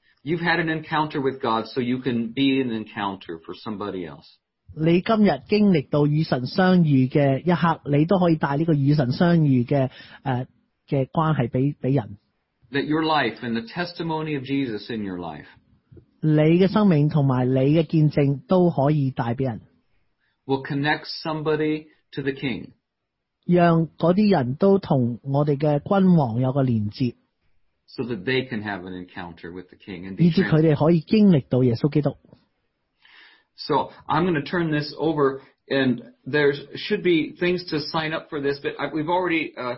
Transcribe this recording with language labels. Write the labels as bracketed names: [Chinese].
[English] You've had an encounter with God, so you can be an encounter for somebody else. [Cantonese] 你今日经历到与神相遇嘅一刻，你都可以带呢个与神相遇嘅嘅关系俾人。 [English] That your life and the testimony of Jesus in your life, [Cantonese] 你的生命同埋你的见证都可以带俾人 [English] will connect somebody to the King, [Cantonese] 让嗰啲人都同我哋嘅君王有个连接 [English] so that they can have an encounter with the King, [Cantonese] 以致佢哋可以经历到耶稣基督 [English] So I'm going to turn this over, and there should be things to sign up for this, but we've already.